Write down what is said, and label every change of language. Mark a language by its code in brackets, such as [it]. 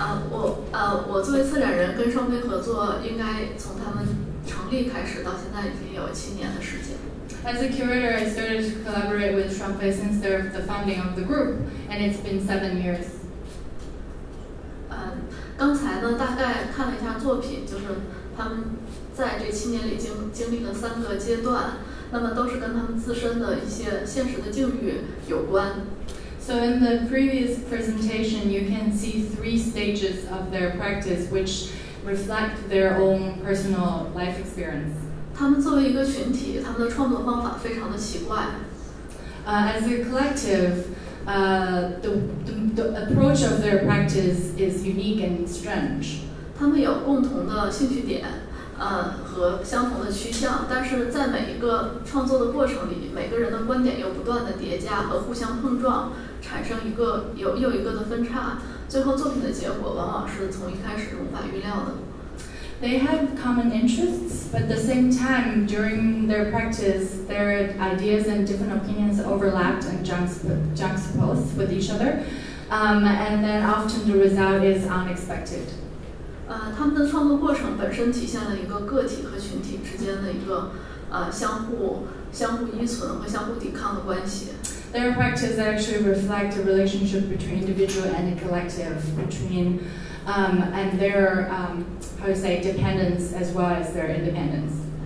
[zh] 我作为策展人跟双飞合作，应该从他们成立开始到现在已经有七年的时间。 [en] As a curator, I started to collaborate with Shanghai since they're the founding of the group, and it's been 7 years. [zh] 刚才呢，大概看了一下作品，就是他们在这七年里经历了三个阶段，那么都是跟他们自身的一些现实的境遇有关。 [en] So in the previous presentation, you can see three stages of their practice, which reflect their own personal life experience. [zh] 他们作为一个群体，他们的创作方法非常的奇怪。 [en] As a collective, the approach of their practice is unique and strange. [zh] 他们有共同的兴趣点，和相同的趋向，但是在每一个创作的过程里，每个人的观点又不断的叠加和互相碰撞。产生一个有又一个的分叉，最后作品的结果往往是从一开始无法预料的。 [en] they have common interests, but at the same time, during their practice, their ideas and different opinions overlapped and juxtaposed with each other, and then often the result is unexpected. [zh] 他们的创作过程本身体现了一个个体和群体之间的一个相互依存和相互抵抗的关系。 [en] Their practice actually reflects the relationship between individual and collective, between and their how to say dependence as well as their independence.